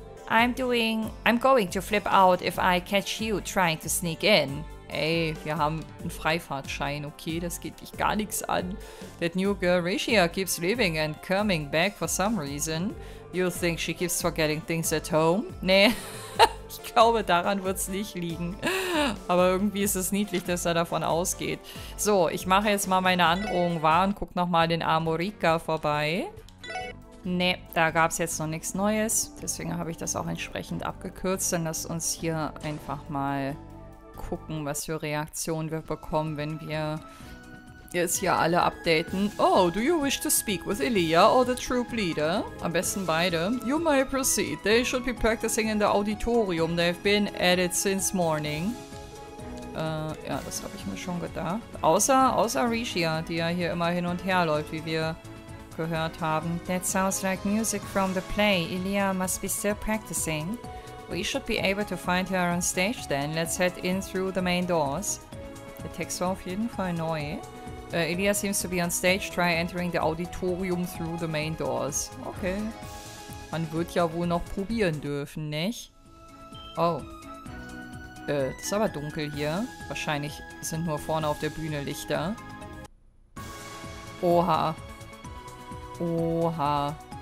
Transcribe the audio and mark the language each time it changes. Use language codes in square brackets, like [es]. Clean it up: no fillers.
[en] I'm going to flip out if I catch you trying to sneak in. [de] Hey, wir haben einen Freifahrtschein, okay? Das geht dich gar nichts an. [en] That new girl Rishia keeps leaving and coming back for some reason. You think she keeps forgetting things at home? [de] Nee. Ich glaube, daran wird es nicht liegen. Aber irgendwie ist es niedlich, dass er davon ausgeht. So, ich mache jetzt mal meine Androhung wahr und gucke nochmal den Amorika vorbei. Ne, da gab es jetzt noch nichts Neues. Deswegen habe ich das auch entsprechend abgekürzt. Dann lass uns hier einfach mal gucken, was für Reaktionen wir bekommen, wenn wir jetzt hier alle updaten. [en] Oh, do you wish to speak with Elia or the troop leader? [de] Am besten beide. [en] You may proceed. They should be practicing in the auditorium. They've been at it since morning. [de] Ja, das habe ich mir schon gedacht. Außer Rishia, die ja hier immer hin und her läuft, wie wir gehört haben. [en] That sounds like music from the play. Elia must be still practicing. We should be able to find her on stage then. Let's head in through the main doors. [de] Der Text war auf jeden Fall neu. [en] Elia seems to be on stage. Try entering the auditorium through the main doors. Okay. [de] Man wird ja wohl noch probieren dürfen, nicht? Oh. Das ist aber dunkel hier. Wahrscheinlich sind nur vorne auf der Bühne Lichter. Oha. Oha.